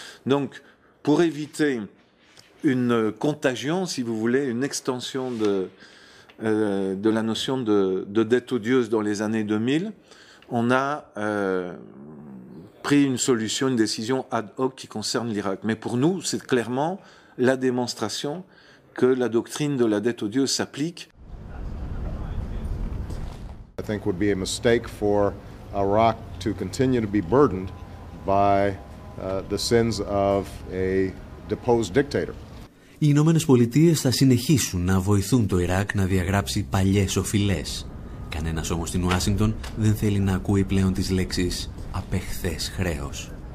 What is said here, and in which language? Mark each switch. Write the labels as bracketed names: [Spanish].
[French] Donc, pour éviter une contagion, si vous voulez, une extension de la notion de dette odieuse dans les années 2000, on a pris une solution, une décision ad hoc qui concerne l'Irak. Mais pour nous, c'est clairement la démonstration que la doctrine de la dette odieuse s'applique. [English] I think it would be a mistake for Iraq to continue to be burdened by the sins of a deposed dictator. [Greek] οι Ηνωμένες Πολιτείες θα συνεχίσουν να βοηθούν το Ιράκ να διαγράψει παλιές οφειλές. Κανένας όμως στην Ουάσιγκτον δεν θέλει να ακούει πλέον τις λέξεις «απεχθές χρέος».